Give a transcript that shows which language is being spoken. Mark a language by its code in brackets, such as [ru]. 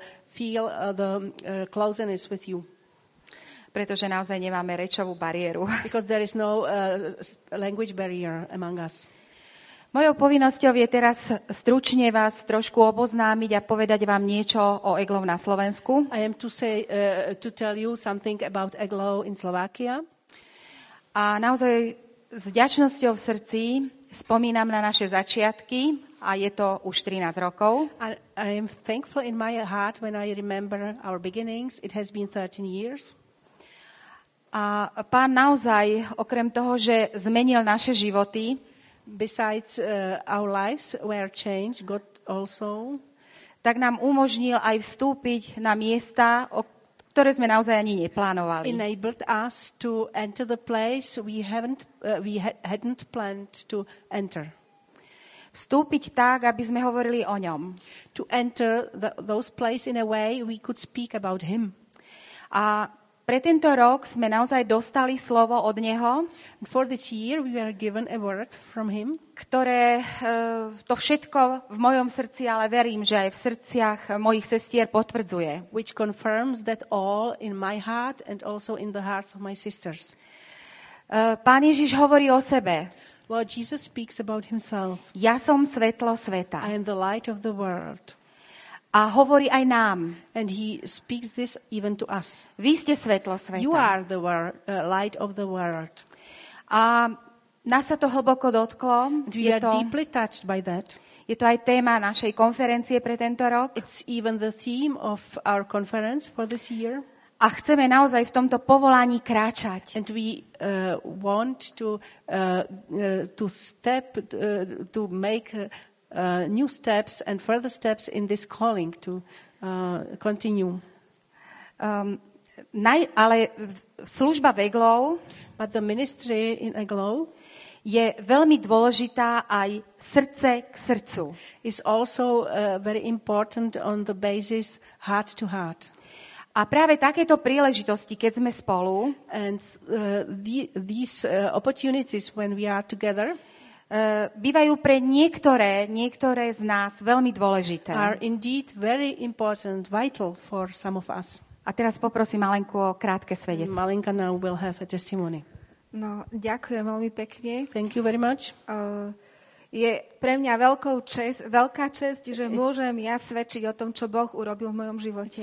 [en] We feel the closeness with you. [sk] Pretože naozaj nemáme rečovú bariéru. [en] Because there is no language barrier among us. [sk] Mojou povinnosťou je teraz stručne vás trošku oboznámiť a povedať vám niečo o Eglov na Slovensku. [en] I am to say to tell you something about Eglov in Slovakia. [sk] A naozaj s vďačnosťou v srdci spomínam na naše začiatky a je to už 13 rokov. [en] I am thankful in my heart when I remember our beginnings. It has been 13 years. [sk] A Pán naozaj, okrem toho, že zmenil naše životy, [en] besides our lives were changed, God also, [sk] tak nám umožnil aj vstúpiť na miesta, ktoré sme naozaj ani neplánovali. [en] Enabled us to enter the place we hadn't planned to enter. [sk] Vstúpiť tak, aby sme hovorili o ňom. [en] To enter those place in a way we could speak about him. [sk] A pre tento rok sme naozaj dostali slovo od neho. [en] For this year we were given a word from him. [sk] Ktoré to všetko v mojom srdci, ale verím, že aj v srdciach mojich sestier potvrdzuje. [en] Which confirms that all in my heart and also in the hearts of my sisters. [sk] Pán Ježiš hovorí o sebe. [en] Well, Jesus speaks about himself. [sk] Ja som svetlo sveta. [en] I am the light of the world. [sk] A hovorí aj nám. [en] And he speaks this even to us. [sk] Vy ste svetlo sveta. [en] You are the light of the world. [sk] A nás sa to hlboko dotklo. [en] And we are deeply touched by that. [sk] Je to aj téma našej konferencie pre tento rok. [en] It's even the theme of our conference for this year. [sk] A chceme naozaj v tomto povolaní kráčať. [en] And we want to step to make new steps and further steps in this calling to continue. [sk] Ale služba v Eglow, [en] but the ministry in Eglow, [sk] je veľmi dôležitá aj srdce k srdcu. [en] Is also very important on the basis heart to heart. [sk] A práve takéto príležitosti, keď sme spolu, [en] and these opportunities when we are together, [sk] bývajú pre niektoré z nás veľmi dôležité. [en] Are indeed very important, vital for some of us. [sk] A teraz poprosím Malenku o krátke svedectvo. [en] Malenka now will have a testimony. [sk] No, ďakujem veľmi pekne. [en] Thank you very much. [sk] Je pre mňa veľká čest, že môžem ja svedčiť o tom, čo Boh urobil v mojom živote.